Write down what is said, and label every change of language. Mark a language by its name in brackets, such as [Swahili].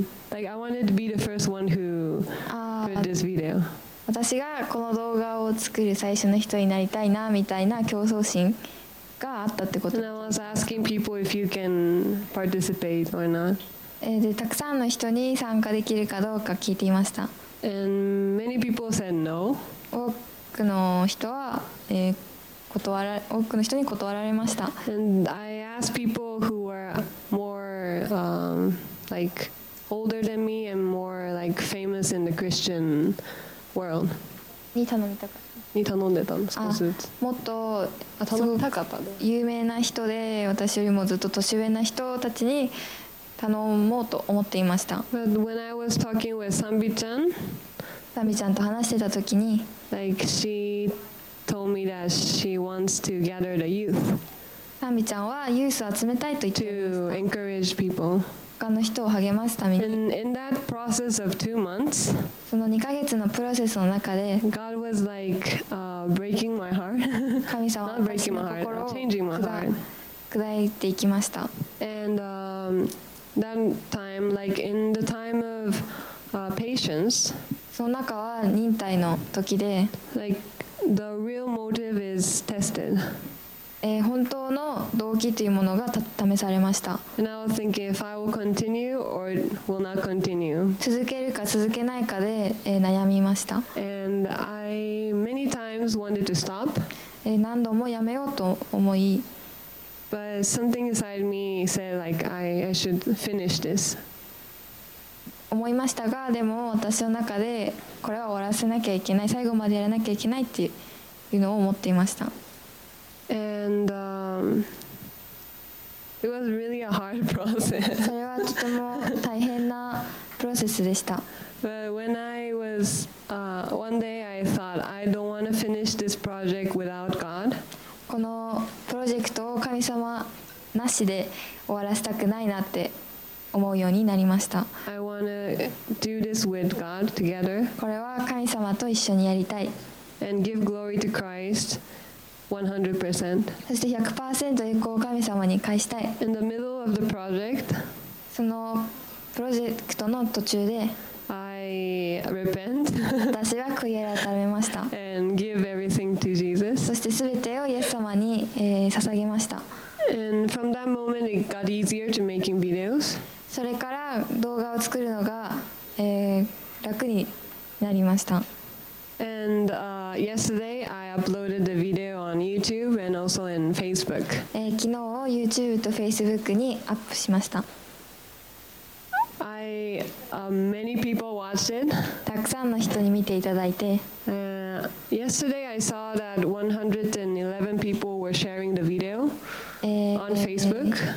[English] Like, I wanted to be the first one who put this video. [Japanese] 私がこの動画を作る最初の人になりたいなみたいな競争心があったってこと。 [English] And I was asking people if you can participate or not. [Japanese] で、たくさんの人に参加できるかどうか聞いていました。 [English] And many people said no. [Japanese] 多くの人は、多くの人に断られました。 [English] And I asked people who were more like older than me and more like famous in the Christian world. [Japanese] に頼みたかった。に頼んでたんですか。もっと頼みたかった、ね、有名な人で私よりもずっと年上な人たちに頼もうと思っていました。 [English] But when I was talking with Sanbi-chan, [Japanese] Sanbi-chan と話してた時に、 [English] Like she told me that she wants to gather the youth。 [Japanese] Sanbi-chan はユースを集めたいと言ってました。 [English] To encourage people。 [Japanese] 他の人を励ますために。 [English] In that process of 2 months, [Japanese] その2ヶ月のプロセスの中で、 [English] God was like, breaking my heart. [Japanese] 神様は私の心を砕いていきました。 [English] And, that time, like, in the time of, patience, [Japanese] その中は忍耐の時で、 [English] like, the real motive is tested. [Japanese] 本当の動機というものが試されました。 [English] And I was thinking if I will continue or will not continue. [Japanese] 続けるか続けないかで、悩みました。 [English] And I many times times wanted to stop. [Japanese] 何度もやめようと思い。 [English] But something inside me said like I should finish this. [Japanese] 思いましたが、でも私の中でこれは終わらせなきゃいけない、最後までやらなきゃいけないっていうのを思っていました。 [English] And it was really a hard process. [Japanese] それはとても大変なプロセスでした。 [English] But when I was one day I thought I don't want to finish this project without God. [Japanese] このプロジェクトを神様なしで終わらせたくないなって思うようになりました。 [English] I want to do this with God together. [Japanese] これは神様と一緒にやりたい。 [English] And give glory to Christ. 100%. [Japanese] そして 100% 栄光を神様に返したい。 [English] In the middle of the project, [Japanese] そのプロジェクトの途中で [English] I repent. [Japanese] 私は悔い改めました [English] And give everything to Jesus. [Japanese] そして全てをイエス様に、捧げました。 [English] And from that moment, it got easier to making videos. [Japanese] それから動画を作るのが、楽になりました。 [English] And yesterday I uploaded the video on YouTube and also in Facebook. [Japanese] 昨日を YouTube と Facebook にアップしました。 [English] I many people watched it. [Japanese] たくさんの人に見ていただいて。 [English] Yesterday I saw that 111 people were sharing the video on Facebook.